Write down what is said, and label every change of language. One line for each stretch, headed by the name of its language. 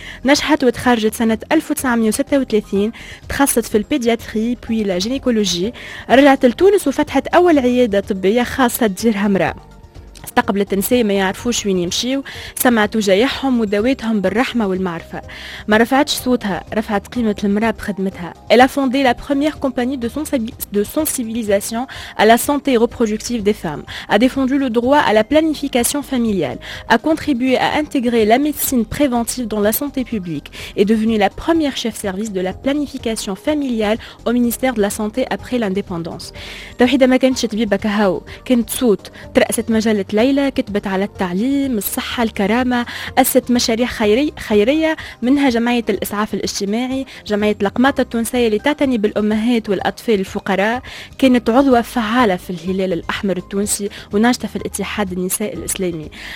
Arabic: نجحت وتخرجت سنة 1936، تخصصت في البيدياتري بوي لا جينيكولوجي. رجعت لتونس وفتحت أول عيادة طبية خاصة تديرها مرأة. استقبلت نساء ما يعرفوش وين يمشيو، سمعت وجايحهم ودويتهم بالرحمة والمعرفة. ما رفعتش صوتها، رفعت قيمة المرأة بخدمتها.
French: Elle a fondé la première compagnie de sensibilisation à la santé reproductive des femmes, a défendu le droit à la planification familiale, a contribué à intégrer la médecine préventive dans la santé publique, est devenue la première chef service de la planification familiale au ministère de la santé après l'indépendance.
Arabic: توحيدة ما كانتش طبيبة كهو، كانت صوت. ترأست مجلة ليلى، كتبت على التعليم، الصحة، الكرامة، أسست مشاريع خيرية منها جمعية الإسعاف الاجتماعي، جمعية لقماطة التونسية اللي تعتني بالأمهات والأطفال الفقراء. كانت عضوة فعالة في الهلال الأحمر التونسي وناشطة في الاتحاد النساء الإسلامي.